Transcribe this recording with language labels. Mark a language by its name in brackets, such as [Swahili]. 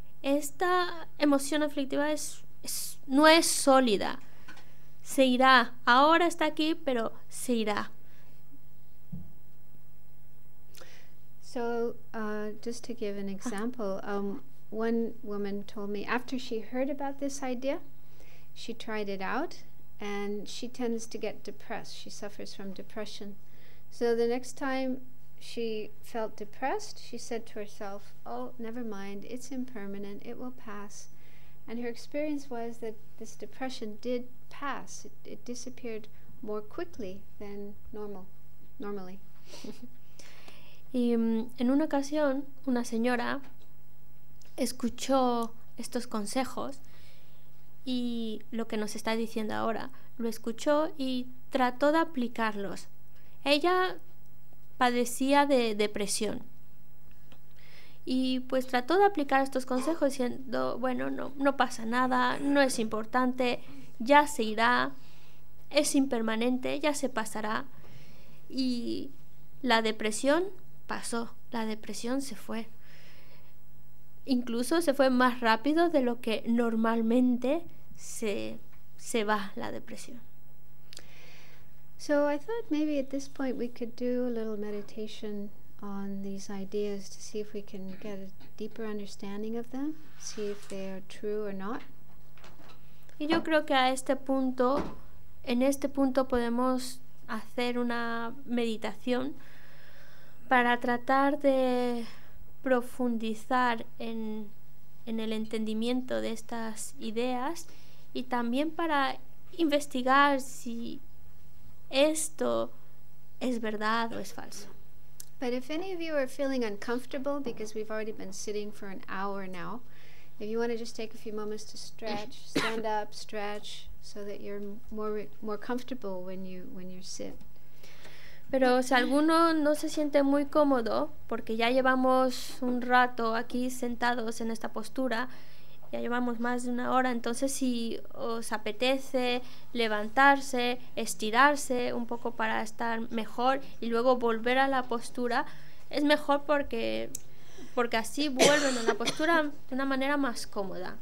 [Spanish] esta emoción aflictiva no es sólida. Se irá. Ahora está aquí, pero se irá. [English] So, just to give an example, one woman told me after she heard about this idea, she tried it out, and she tends to get depressed. She suffers from depression. So the next time she felt depressed, she said to herself, oh, never mind, it's impermanent, it will pass. And her experience was that this depression did pass. It disappeared more quickly than normally. [Spanish] Y en una ocasión, una señora escuchó estos consejos y lo que nos está diciendo ahora, lo escuchó y trató de aplicarlos. Ella padecía de depresión y pues trató de aplicar estos consejos diciendo, bueno, no pasa nada, no es importante, ya se irá, es impermanente, ya se pasará. Y la depresión pasó, la depresión se fue, incluso se fue más rápido de lo que normalmente se va la depresión. [English] So I thought maybe at this point we could do a little meditation on these ideas to see if we can get a deeper understanding of them, see if they are true or not. [Spanish] Y yo creo que a este punto, en este punto podemos hacer una meditación para tratar de profundizar en el entendimiento de estas ideas y también para investigar si esto es verdad o es falso. [English] But if any of you are feeling uncomfortable because we've already been sitting for an hour now, if you want to just take a few moments to stretch, stand up, stretch, so that you're more comfortable when you sit. [Spanish] Pero si alguno no se siente muy cómodo, porque ya llevamos un rato aquí sentados en esta postura, ya llevamos más de una hora, entonces si os apetece levantarse, estirarse un poco para estar mejor y luego volver a la postura, es mejor porque así vuelven a la postura de una manera más cómoda.